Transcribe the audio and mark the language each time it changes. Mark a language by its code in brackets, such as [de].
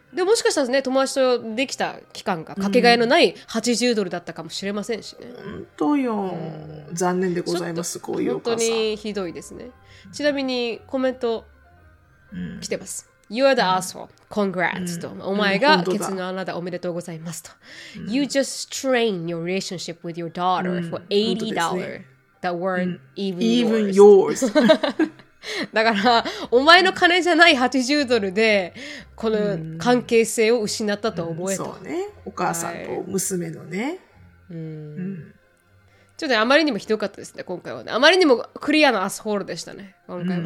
[ja] でもしかしたらね、友達とできた期間がかけがえのない80ドルだったかもしれませんしね、うん、本当よ、うん、残念でございます、こういうお母さん本当にひどいですね。ちなみにコメント来てます、うん、 [en] You are the asshole. Congrats.、 [ja] うん、と、お前がケツの穴だ、おめでとうございますと、うん。 [en] You just strain your relationship with your daughter、うん、for $80、ね、that weren't、うん、even yours. Even yours. [ja] だからお前の金じゃない80ドルでこの関係性を失ったと思えた、うんうん、そうね、お母さんと娘のね、はい、うん、ちょっとあまりにもひどかったですね今回は、ね、あまりにもクリアなアスホールでしたね今回は、ね、